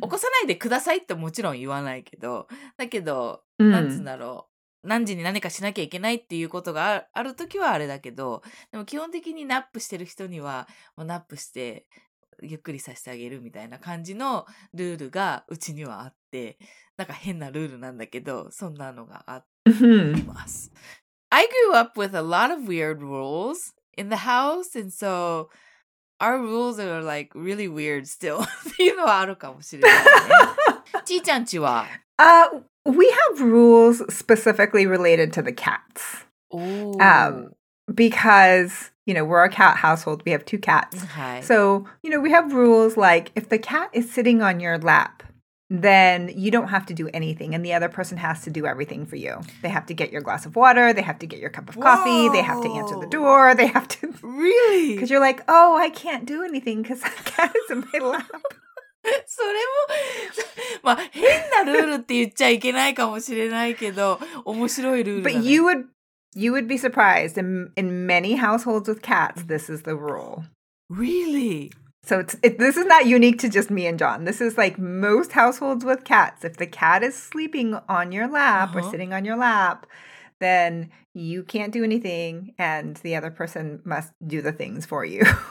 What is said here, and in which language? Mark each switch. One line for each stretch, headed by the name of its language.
Japanese: 起こさないでくださいってもちろん言わないけど、だけど、なんつうんだろう、うん、何時に何かしなきゃいけないっていうことがあるときはあれだけど、でも基本的にナップしてる人には、もうナップしてゆっくりさせてあげるみたいな感じのルールがうちにはあって、なんか変なルールなんだけど、そんなのがあります。うん、
English: I grew up with a lot of weird rules. In the house, and so our rules are like really weird still. You know,
Japanese: あるかもしれないね。ちーちゃんちは?
English: We have rules specifically related to the cats. Ooh. Because, you know, we're a cat household. We have two cats. Okay. So, you know, we have rules like if the cat is sitting on your lap, then you don't have to do anything. And the other person has to do everything for you. They have to get your glass of water. They have to get your cup of coffee. Whoa. They have to answer the door. They have to... Really? Because you're like, oh, I can't do anything because that cat is in my lap.
Japanese: それも、まあ、変なルールって言っちゃいけないかもしれないけど、面白いルールだね。
English: But you would be surprised. In many households with cats, this is the rule. Really? So this is not unique to just me and John. This is like most households with cats. If the cat is sleeping on your lap、uh-huh. or sitting on your lap, then you can't do anything and the other person must do the things for you.